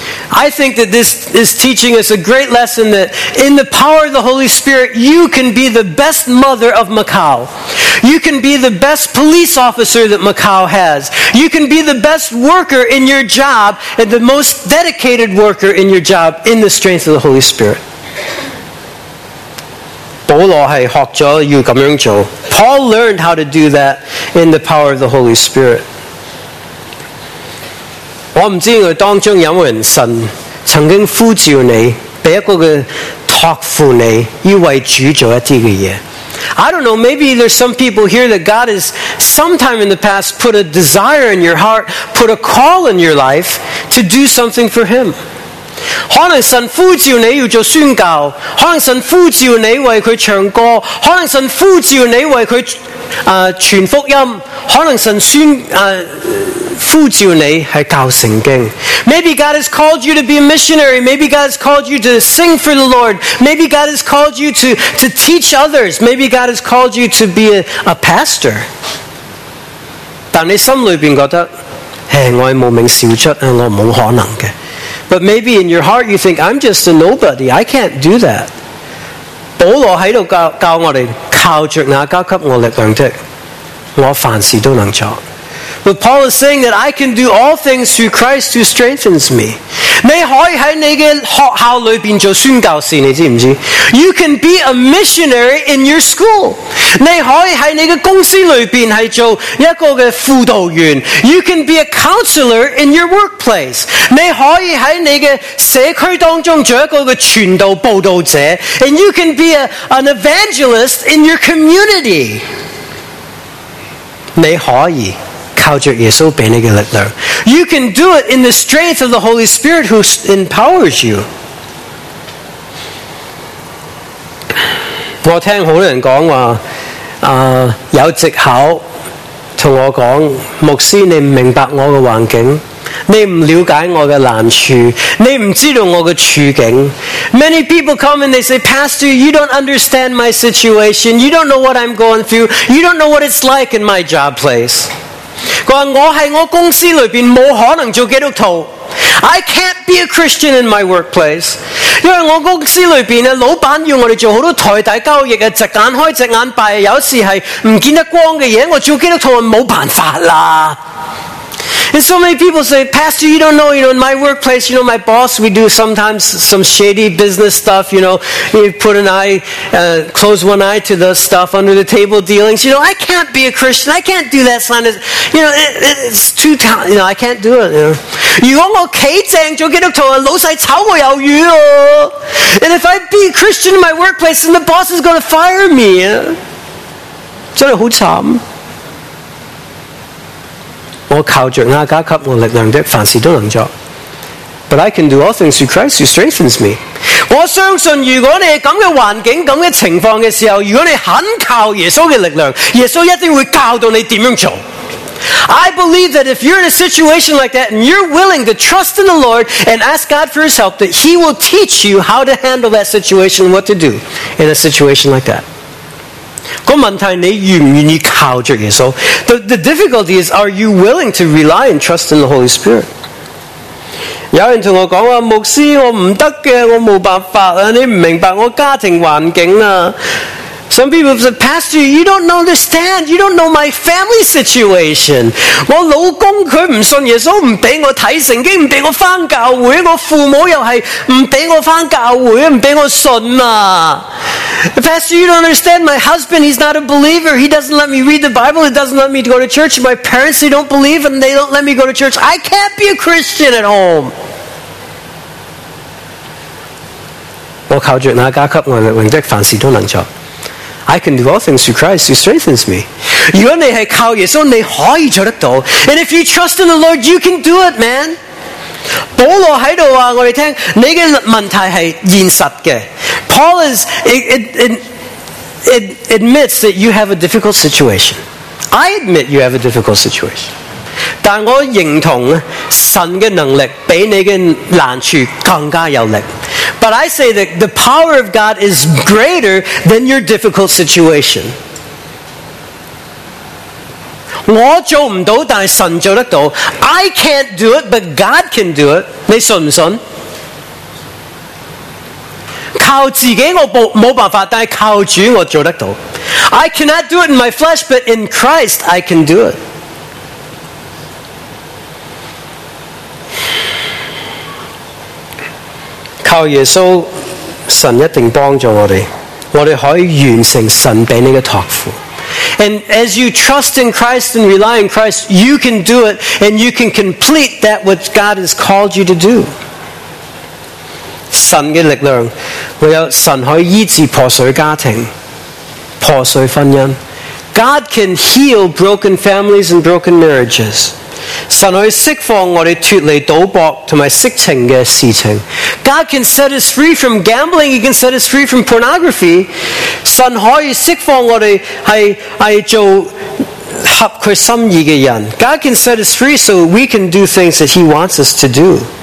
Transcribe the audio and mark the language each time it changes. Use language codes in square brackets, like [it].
[en] I think that this is teaching us a great lesson that in the power of the Holy Spirit, you can be the best mother of Macau. You can be the best police officer that Macau has. You can be the best worker in your job and the most dedicated worker in your job in the strength of the Holy Spirit. [yue] 保罗是学了要这样做。 [en] Paul learned how to do that in the power of the Holy Spirit. [yue] 我不知道他当中有没有人神曾经呼召你给一个托付你要为主做一些东西。 [en] I don't know, maybe there's some people here that God has sometime in the past put a desire in your heart, put a call in your life to do something for him. [yue] 可能神呼召你要做宣教，可能神呼召你为他唱歌，可能神呼召你为他、传福音，可能神宣呼召你是教圣经。 [en] Maybe God has called you to be a missionary. Maybe God has called you to sing for the Lord. Maybe God has called you to teach others. Maybe God has called you to be a pastor. [yue] 但你心里边觉得，哎，我无名小卒，我冇可能的。 [en] But maybe in your heart you think, I'm just a nobody. I can't do that. [yue] 保罗在这里 教我们，靠着那加给我力量的，我凡事都能做。 [en] But Paul is saying that I can do all things through Christ who strengthens me. [yue] 你可以在你的学校里面做宣教士，你知不知道？ [en] You can be a missionary in your school. [yue] 你可以在你的公司里面是做一个的辅导员。 [en] You can be a counselor in your workplace. [yue] 你可以在你的社区当中做一个的传道报道者。 [en] And you can be an evangelist in your community. [yue] 你可以靠着耶稣给你的力量。 [en] You can do it in the strength of the Holy Spirit who empowers you. [yue] 我听很多人讲话、有藉口跟我讲，牧师你不明白我的环境，你不了解我的难处，你不知道我的处境。 [en] Many people come and they say, Pastor, you don't understand my situation. You don't know what I'm going through. You don't know what it's like in my job place. [yue] 我在我公司里面不可能做基督徒。 [en] I can't be a Christian in my workplace. [yue] 因为我公司里面老板要我们做很多台底交易，直眼开直眼闭，有时是不见得光的东西，我做基督徒没办法了。 [en] And so many people say, Pastor, you don't know, you know, in my workplace, you know, my boss, we do sometimes some shady business stuff, you know, you put an eye, close one eye to the stuff under the table dealings, you know, I can't be a Christian, I can't do that, son. You know, it's too, you know, I can't do it, you know. [yue] 如果我企正做基督徒，老细炒我鱿鱼哦。 [en] And if I be a Christian in my workplace, then the boss is going to fire me. [yue] 真的好惨。我靠着那加给我力量的，凡事都能做。 [en] But I can do all things through Christ who strengthens me. [yue] 我相信如果你是这样的环境，这样的情况的时候，如果你肯靠耶稣的力量，耶稣一定会教导你怎样做。 [en] I believe that if you're in a situation like that and you're willing to trust in the Lord and ask God for his help, that he will teach you how to handle that situation and what to do in a situation like that. [yue] 个问题你愿不愿意靠着耶稣？ [en] The difficulty is, are you willing to rely and trust in the Holy Spirit? [yue] 有人同我讲话，牧师，我唔得嘅，我冇办法啊！你唔明白我家庭环境啊。 [en] Some people say, Pastor, you don't understand. You don't know my family situation. [yue] 我老公佢唔信耶稣，唔俾我睇圣经，唔俾我翻教会。我父母又系唔俾我翻教会，唔俾我信啊。 [en] Pastor, you don't understand. My husband, he's not a believer. He doesn't let me read the Bible. He doesn't let me go to church. My parents, they don't believe, and they don't let me go to church. I can't be a Christian at home. [yue] 我靠着那加给我力量的，凡事都能做。 [en] I can do all things through Christ who strengthens me. [yue] 如果你是靠耶稣，你可以做得到。 [en] And if you trust in the Lord, you can do it, man. [yue] 保罗在这里告诉我们，你的问题是现实的。 [en] Paul is, it admits that you have a difficult situation. I admit you have a difficult situation. [yue] 但我认同神的能力比你的难处更加有力。 [en] But I say that the power of God is greater than your difficult situation. [yue] 我做唔到，但系神做得到。 [en] I can't do it, but God can do it. [yue] 你信唔信？靠自己我冇办法，但系靠主我做得到。 [en] I cannot do it in my flesh, but in Christ I can do it. [yue] 靠耶稣，神一定帮助我哋，我哋可以完成神俾你嘅托付。 [en] And as you trust in Christ and rely on Christ, you can do it, and you can complete that which God has called you to do. [yue] 神嘅力量，唯有神可以医治破碎家庭、破碎婚姻。 [en] God can heal broken families and broken marriages. [yue] 神可以释放我们脱离赌博和色情的事情。 [en] God can set us free from gambling. He can set us free from pornography. [yue] 神可以释放我们 是做合祂心意的人。 [en] God can set us free so we can do things that He wants us to do.